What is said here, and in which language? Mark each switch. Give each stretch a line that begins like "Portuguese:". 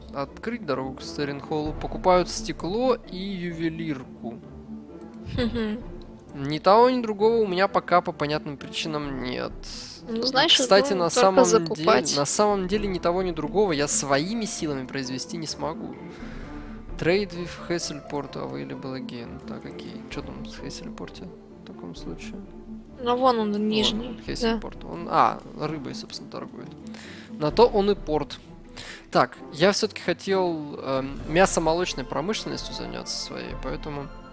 Russian: Открыть дорогу к Стеренхоллу. Покупают стекло и ювелирку. Ни того, ни другого у меня пока по понятным причинам нет. Ну, знаешь, кстати, ну, на самом деле ни того, ни другого я своими силами произвести не смогу.
English: Trade with Hasselport available again.
Russian: Так, окей. Что там с Hasselport в таком случае? Ну, вон он, нижний. Вон, Hasselport. Да. Он, рыбой, собственно, торгует. На то он и порт. Так, я все-таки хотел мясо-молочной промышленностью заняться своей, поэтому...